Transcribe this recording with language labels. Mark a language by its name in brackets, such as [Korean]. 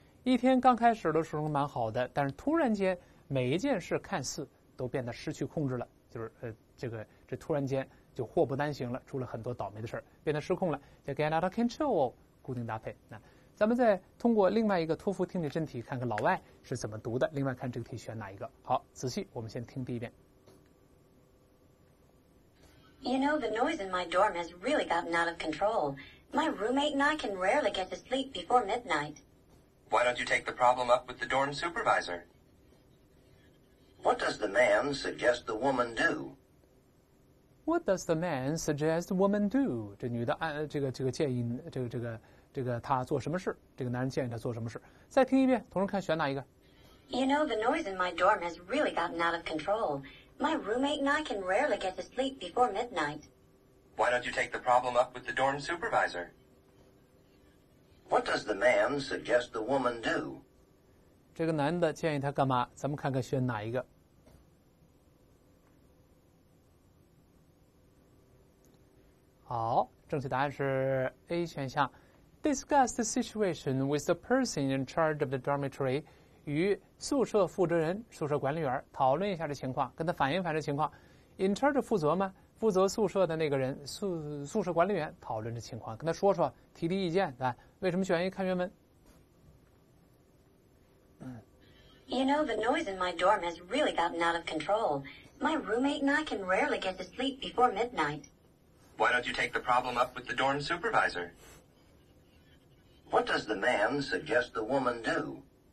[Chinese] 一天刚开始的时候蛮好的，但是突然间每一件事看似都变得失去控制了，就是这突然间。就祸不单行了，出了很多倒霉的事，变得失控了，叫 [English] get out of control， [Chinese] 固定搭配。那咱们再通过另外一个托福听力真题，看看老外是怎么读的，另外看这个题选哪一个。好，仔细我们先听第一遍。 [English] You know, the noise in my dorm has really gotten out of control. My roommate and I can rarely get to sleep before midnight. Why don't you take the problem up with the dorm supervisor? What does the man suggest the woman do? What does the man suggest woman do? [Chinese] 这女的建议他做什么事？这个男人建议他做什么事？再听一遍，同时看选哪一个。 [English] You know, the noise in my dorm has really gotten out of control. My roommate and I can rarely get to sleep before midnight. Why don't you take the problem up with the dorm supervisor? What does the man suggest the woman do? [Chinese] 这个男的建议他干嘛？咱们看看选哪一个。好，正确答案是 A 选项。 [English] Discuss the situation with the person in charge of the dormitory， [Chinese] 与宿舍负责人、宿舍管理员讨论一下这情况，跟他反映反映这情况。In charge 负责吗？负责宿舍的那个人，宿舍管理员讨论这情况，跟他说说，提提意见，对吧？为什么选 A？ 看原文。 [English] You know, the noise in my dorm has really gotten out of control. My roommate and I can rarely get to sleep before midnight. Why don't you take the problem up with the dorm supervisor? What does the man suggest the woman do?